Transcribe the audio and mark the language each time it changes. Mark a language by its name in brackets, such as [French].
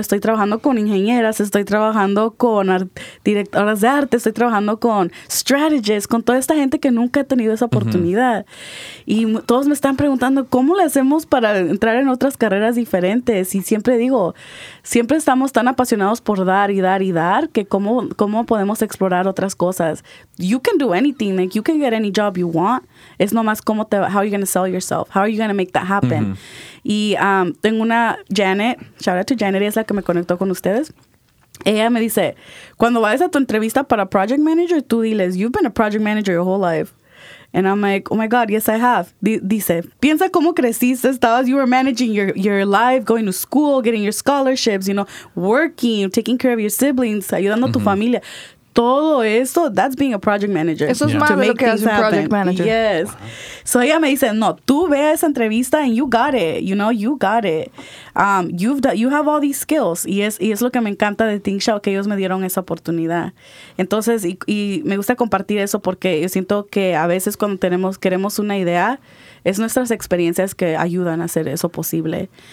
[Spanish] Estoy trabajando con ingenieras, estoy trabajando con directoras de arte, estoy trabajando con strategists, con toda esta gente que nunca ha tenido esa oportunidad. Uh-huh. Y todos me están preguntando, ¿cómo le hacemos para entrar en otras carreras diferentes? Y siempre digo, siempre estamos tan apasionados por dar y dar y dar, que cómo podemos explorar otras cosas. [English] You can do anything. Like, you can get any job you want. [Spanish] Es nomás cómo te, [English] how are you going to sell yourself? How are you going to make that happen? Uh-huh. [Spanish] Y tengo una Janet, [English] shout out to Janet, [Spanish] es la que me conectó con ustedes. Ella me dice, cuando vayas a tu entrevista para project manager, tú diles, [English] you've been a project manager your whole life. And I'm like, oh my God, yes I have. [Spanish] Dice, piensa cómo creciste, estabas, [English] you were managing your life, going to school, getting your scholarships, you know, working, taking care of your siblings, [Spanish] ayudando uh-huh. a tu familia. Todo eso, [English] that's being a project manager. [Spanish] Eso es yeah. más de lo que hace un project manager. [English] Yes. Wow. [Spanish] So ella me dice, no, tú ve a esa entrevista [English] and you got it. You know, you got it. You have all these skills. [Spanish] Y es lo que me encanta de ThinkShow, que ellos me dieron esa oportunidad. Entonces, y me gusta compartir eso porque yo siento que a veces cuando queremos una idea, es nuestras experiencias que ayudan a hacer eso posible.